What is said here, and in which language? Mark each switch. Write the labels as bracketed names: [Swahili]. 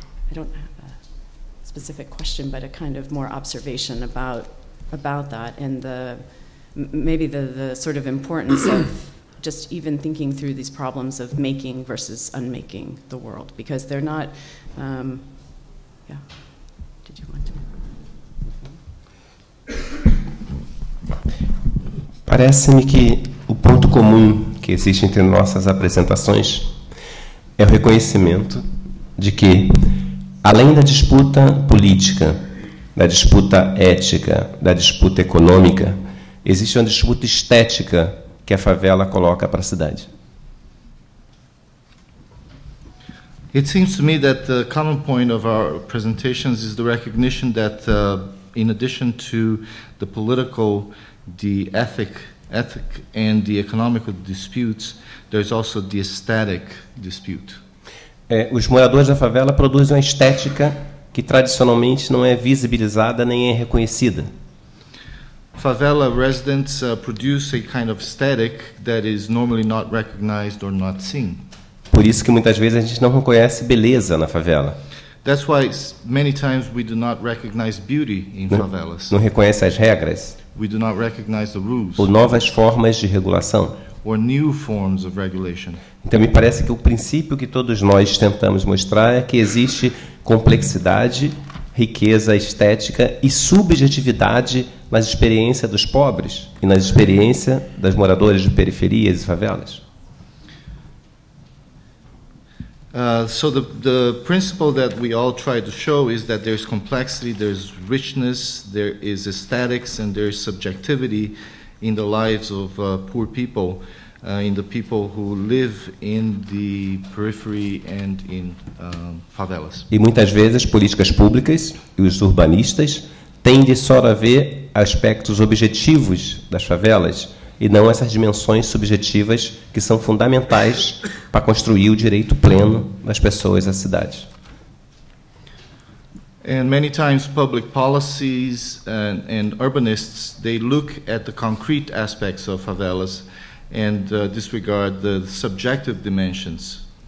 [English] I don't have a specific question, but a kind of more observation about that and the sort of importance of just even thinking through these problems of making versus unmaking the world, because they're not, did you want to? [Portuguese] Parece-me que o ponto comum que existe entre nossas apresentações é o reconhecimento de que, além da disputa política, da disputa ética, da disputa econômica, existe uma disputa estética que a favela coloca para a cidade. [English] It seems to me that the common point of our presentations is the recognition that, in addition to the political, the ethic and the economical disputes, there's also the aesthetic dispute. [Portuguese] Os moradores da favela produzem uma estética que tradicionalmente não é visibilizada nem é reconhecida. [English] Favela residents produce a kind of aesthetic that is normally not recognized or not seen. [Portuguese] Por isso que muitas vezes a gente não reconhece beleza na favela. [English] That's why many times we do not recognize beauty in favelas. [Portuguese] Não reconhece as regras. [English] We do not recognize the rules. [Portuguese] Ou novas formas de regulação. [English] Or new forms of regulation. [Portuguese] Então me parece que o princípio que todos nós tentamos mostrar é que existe complexidade, riqueza estética e subjetividade nas experiências dos pobres e nas experiências das moradoras de periferias e favelas. [English] So the principle that we all try to show is that there's complexity, there's richness, there is aesthetics, and there's subjectivity in the lives of poor people, in the people who live in the periphery and in favelas. [Portuguese] E muitas vezes políticas públicas e os urbanistas tendem só a ver aspectos objetivos das favelas e não essas dimensões subjetivas que são fundamentais para construir o direito pleno das pessoas à cidade. [English] And many times public policies and urbanists, they look at the concrete aspects of favelas and disregard the subjective dimensions.